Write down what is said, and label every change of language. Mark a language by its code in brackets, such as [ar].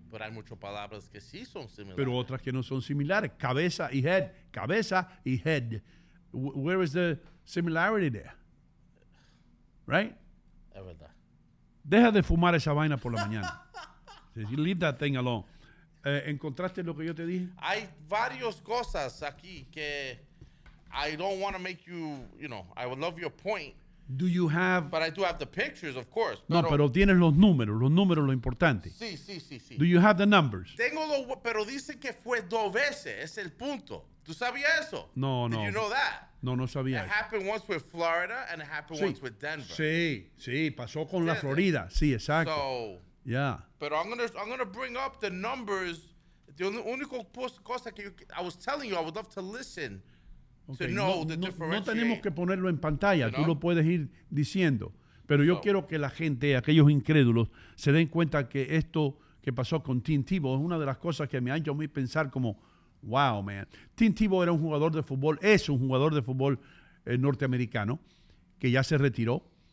[es] Pero hay muchas palabras que sí son similares. Pero otras que no son similares. Cabeza y head. Cabeza y head. [en] Where is the similarity there? Right? [es] Es verdad. Deja de fumar esa vaina por la mañana. [en] Leave that thing alone. [es] ¿Encontraste lo que yo te dije? Hay varias cosas aquí que [en] I don't want to make you, you know, I would love your point. Do you have? But I do have the pictures, of course. [es] No, pero tienes los números, lo importante. Sí, sí, sí, sí. [en] Do you have the numbers? [es] Tengo los, pero dicen que fue dos veces, es el punto. ¿Tú sabías eso? No, no. [en] Did you know that? [es] No, no sabía. [en] It happened once with Florida and it happened once with Denver. [es] Sí, sí, pasó con la Florida. Sí, exacto. [en] So, yeah. Pero I'm gonna bring up the numbers. The [es] único cosa que [en] I was telling you, I would love to listen. Okay. [es] No tenemos que ponerlo en pantalla, tú lo puedes ir diciendo. Pero yo quiero que la gente, aquellos incrédulos, se den cuenta que esto que pasó con Tim Tebow es una de las cosas que me han hecho a mí pensar como, wow, man. Tim Tebow era un jugador de fútbol, es un jugador de fútbol norteamericano, que ya se retiró.